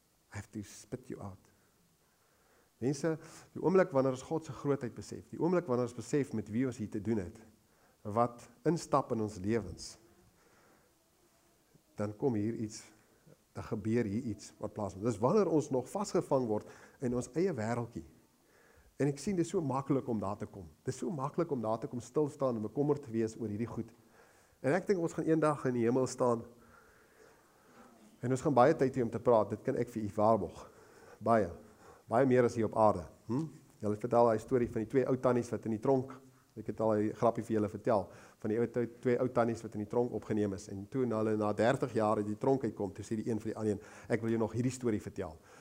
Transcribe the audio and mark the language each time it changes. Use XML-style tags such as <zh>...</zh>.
<en>I have to spit you out.</en> <af>Mense, die oomblik wanneer ons God se grootheid besef, die oomblik wanneer ons besef met wie ons hier te doen het, wat instap in ons lewens, dan kom hier iets, dan gebeur hier iets wat plaasvind. Dis wanneer ons nog vasgevang word in ons eie wêreldjie. En ek sien, dit is so makkelijk om daar te kom. Dit is so makkelijk om daar te kom stilstaan en bekommer te wees oor hierdie goed. En ek dink ons gaan eendag in die hemel staan en ons gaan baie tyd hier om te praat. Dit kan ek vir u waarborg. Baie. Baie meer as hier op aarde. Julle vertel die story van die twee ou tannies wat in die tronk, ek het al die grapje vir julle vertel, van die twee ou tannies wat in die tronk opgeneem is. En toe hulle na 30 jaar in die tronk uitkom, toe sê die een vir die ander, ek wil jou nog hierdie story vertel.</af>